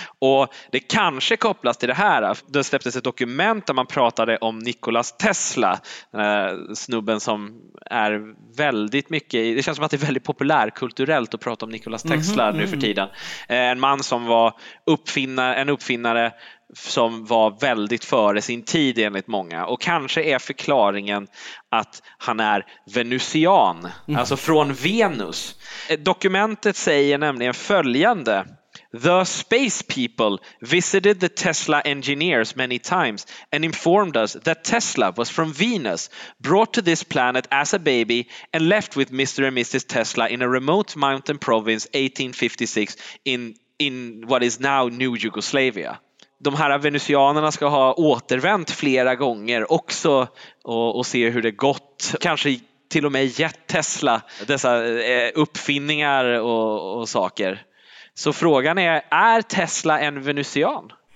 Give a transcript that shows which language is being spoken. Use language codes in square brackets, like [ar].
[sv] Och det kanske kopplas till det här. Det släpptes ett dokument där man pratade om Nikola Tesla, snubben som är väldigt mycket, det känns som att det är väldigt populärkulturellt att prata om Nikola Tesla. Tesla nu för tiden. En man som var en uppfinnare som var väldigt före sin tid enligt många. Och kanske är förklaringen att han är venusian, alltså från Venus. Dokumentet säger nämligen följande: [en] "The space people visited the Tesla engineers many times and informed us that Tesla was from Venus, brought to this planet as a baby and left with Mr. and Mrs. Tesla in a remote mountain province 1856 in what is now New Yugoslavia." [sv] De här venusianerna ska ha återvänt flera gånger också och se hur det gått. Kanske till och med gett Tesla dessa uppfinningar och saker. Så frågan är Tesla en venusian?